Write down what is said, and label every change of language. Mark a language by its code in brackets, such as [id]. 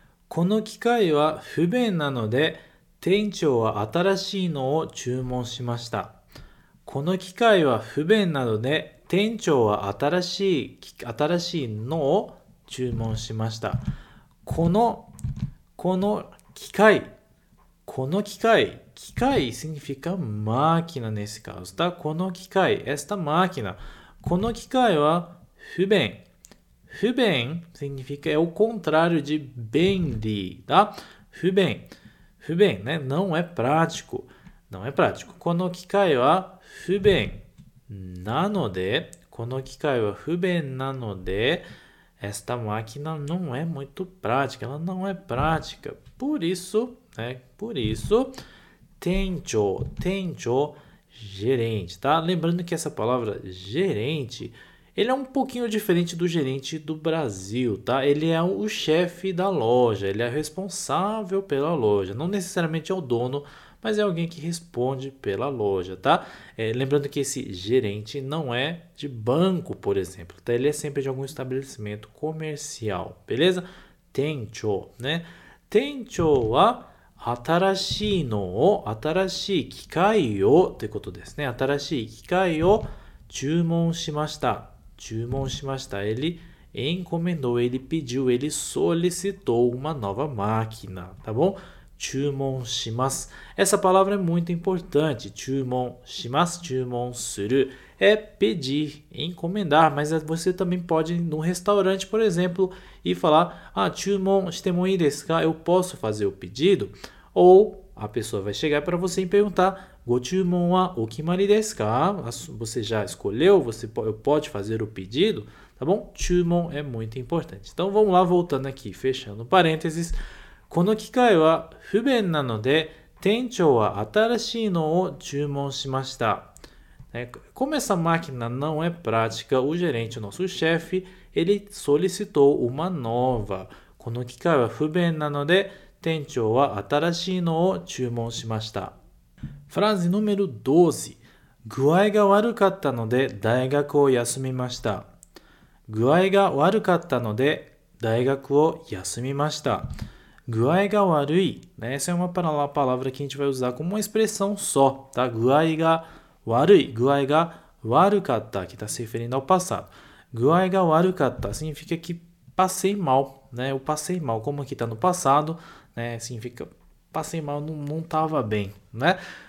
[ja] この機械は不便なので、店長は新しいのを注文しました。この機械は不便なので、店長は新しいのを注文しました。この機械、この機械、 [pt] 機械 significa máquina nesse caso, tá? [ja] この機械、 [pt] esta máquina. [ja] この機械は不便。 [pt] 不便 significa é o contrário de 便利, tá? 不便。不便 né? Não é prático. Não é prático. [ja] この機械は不便なので、この機械は不便なので、 [pt] esta máquina não é muito prática, ela não é prática. Por isso, né? Por isso, 店長, gerente, tá? Lembrando que essa palavra gerente, ele é um pouquinho diferente do gerente do Brasil, tá? Ele é o chefe da loja, ele é responsável pela loja, não necessariamente é o dono, mas é alguém que responde pela loja, tá? Lembrando que esse gerente não é de banco, por exemplo, tá? Ele é sempre de algum estabelecimento comercial, beleza? [ja] 店長, né? 店長は新しいのを、新しい機械をってことですね。新しい機械を注文しました。注文しました。 [pt] Ele encomendou, ele pediu, ele solicitou uma nova máquina, tá bom? [ja] Chumon shimasu. [pt] Essa palavra é muito importante. [ja] Chumon shimasu, chumon suru. [pt] É pedir, encomendar. Mas você também pode ir num restaurante, por exemplo, e falar: Ah, [ja] chumon shitemo ii desu ka? [pt] Eu posso fazer o pedido? Ou a pessoa vai chegar para você e perguntar: [ja] Go chumon wa okimari desu ka? [pt] Você já escolheu? Você pode fazer o pedido? Tá bom? Chumon é muito importante. Então vamos lá, voltando aqui, fechando parênteses. [ja] この機械は不便なので、店長は新しいのを注文しました。 [pt] Como essa máquina não é prática, o gerente, o nosso chefe, ele solicitou uma nova. [ja] この機械は不便なので、店長は新しいのを注文しました。 [pt] Frase número 12. [ja] 具合が悪かったので、大学を休みました。具合が悪かったので、大学を休みました。 Guai ga warui, né? [pt] Essa é uma palavra que a gente vai usar como uma expressão só, tá? [ja] Guai ga warui, guai ga warukatta, [pt] que está se referindo ao passado. [ja] Guai ga warukatta [pt] significa que passei mal, né? Eu passei mal, como aqui está no passado, né? Significa passei mal, não estava bem, né?